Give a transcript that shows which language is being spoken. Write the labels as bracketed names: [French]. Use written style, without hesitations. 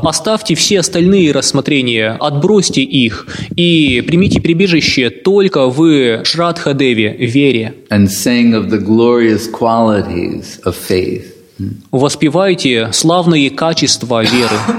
[Russian] Оставьте все остальные рассмотрения, отбросьте их и примите прибежище только в Shraddha Devi, вере. [English] And sing of the glorious qualities of faith. [Russian] Воспевайте славные качества веры.